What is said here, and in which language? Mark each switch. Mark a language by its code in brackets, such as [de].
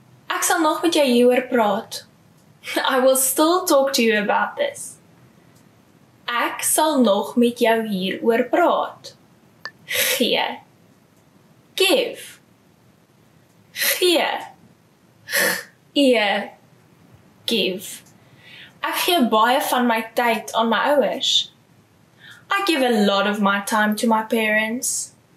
[af] Ek sal nog met jou hieroor praat. [en] I will still talk to you about this. [af] Ek sal nog met jou hieroor praat. Gee. [en] Give. [af] Gee. Gee. Give. Ek gee baie van my tyd aan my ouers. [en] I give a lot of my time to my parents.